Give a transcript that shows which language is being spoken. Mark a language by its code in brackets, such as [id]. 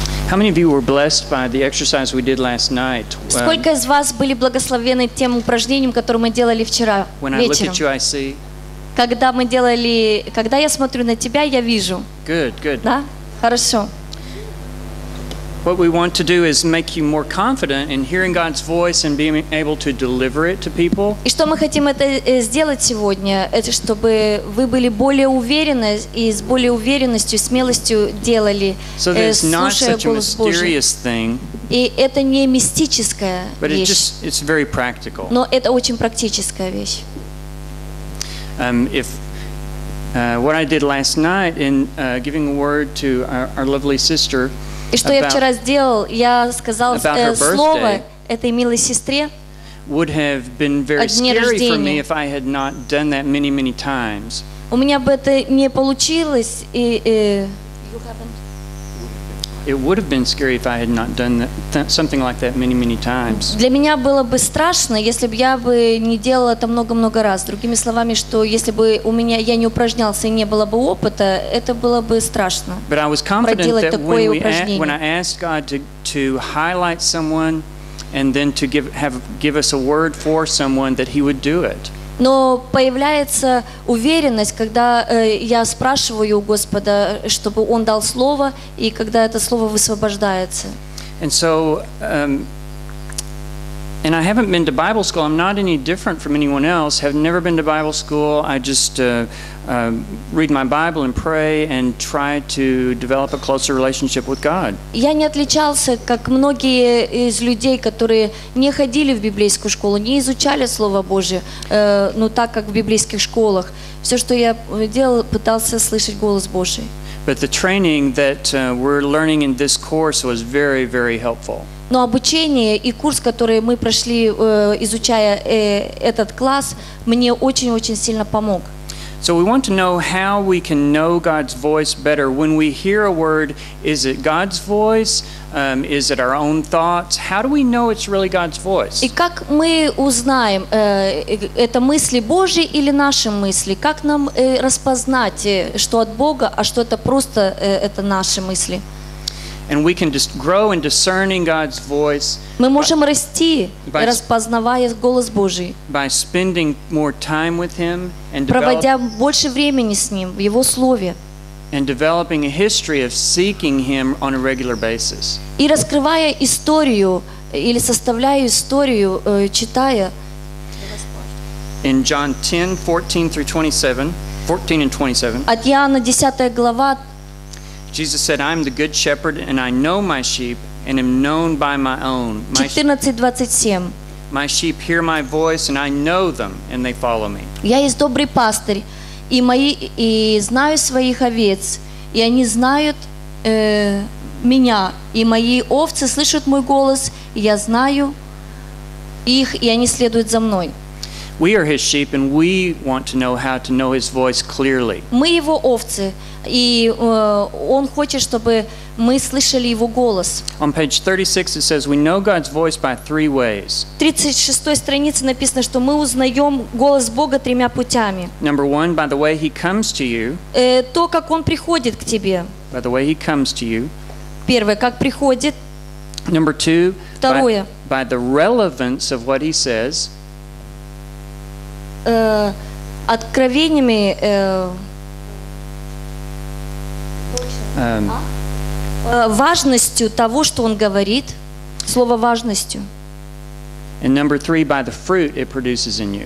[en] How many of you were blessed by the exercise we did last night? [ru] Сколько из вас были благословлены тем упражнением, которое мы делали вчера вечером? [en] When I look at you, I see. [ru] Когда мы делали, когда я смотрю на тебя, я вижу. [en] Good, good. [ru] Да? Хорошо. [en] What we want to do is make you more confident in hearing God's voice and being able to deliver it to people. [ru] И что мы хотим это сделать сегодня, это чтобы вы были более уверены и с более уверенностью, смелостью делали, слушая голос Божий. И это не мистическая вещь. [en] It's very practical. [ru] Но это очень практическая вещь. [en] If What I did last night in giving a word to our lovely sister. [ru] И что я вчера сделал? Я сказал слово этой милой сестре. [en] Would have been very scary for me if I had not done that many, many times. [ru] У меня бы это не получилось и. [en] It would have been scary if I had not done that, something like that many, many times. [ru] Для меня было бы страшно, если бы я бы не делала это много-много раз. Другими словами, что если бы у меня я не упражнялся и не было бы опыта, это было бы страшно. [en] But I was confident that when I asked God to highlight someone and then to give us a word for someone, that He would do it. [ru] Но появляется уверенность, когда я спрашиваю у Господа, чтобы Он дал слово, и когда это слово высвобождается. [en] And so, and I haven't been to Bible school. I'm not any different from anyone else. Have never been to Bible school. I just read my Bible and pray and try to develop a closer relationship with God. [ru] Я не отличался, как многие из людей, которые не ходили в библейскую школу, не изучали Слово Божие, так как в библейских школах. Все, что я делал, пытался слышать голос Божий. [en] But the training that we're learning in this course was very, very helpful. [ru] Но обучение и курс, который мы прошли, изучая этот класс, мне очень-очень сильно помог. [en] So we want to know how we can know God's voice better. When we hear a word, is it God's voice? Is it our own thoughts? How do we know it's really God's voice? [ru] И как мы узнаем, это мысли Божьи или наши мысли? Как нам распознать, что от Бога, а что это просто это наши мысли? [en] And we can just grow in discerning God's voice. [ru] Мы можем расти, распознавая голос Божий. [en] By spending more time with Him and [ru] проводя больше времени с Ним в Его слове. [en] And developing a history of seeking Him on a regular basis. [ru] И раскрывая историю или составляя историю, читая. [en] In John 10:14-27, [ru] от Иоанна 10 глава. [en] Jesus said, "I am the good shepherd, and I know my sheep, and am known by my own." [ru] 14:27. [en] My sheep hear my voice, and I know them, and they follow me. [ru] Я есть добрый пастырь, и мои и знаю своих овец, и они знают меня, и мои овцы слышат мой голос, и я знаю их, и они следуют за мной. [en] We are His sheep, and we want to know how to know His voice clearly. [ru] Мы его овцы. И он хочет, чтобы мы слышали его голос. [en] On page 36 it says we know God's voice by three ways. [ru] 36 странице написано, что мы узнаем голос Бога тремя путями. [en] Number one, by the way He comes to you. [ru] То, как он приходит к тебе. [en] By the way He comes to you. [ru] Первое, как приходит. [en] Number two. [ru] Второе. [en] By the relevance of what He says. [ru] Откровениями. Важностью того, что он говорит, слово важностью. [en] And number three, by the fruit it produces in you.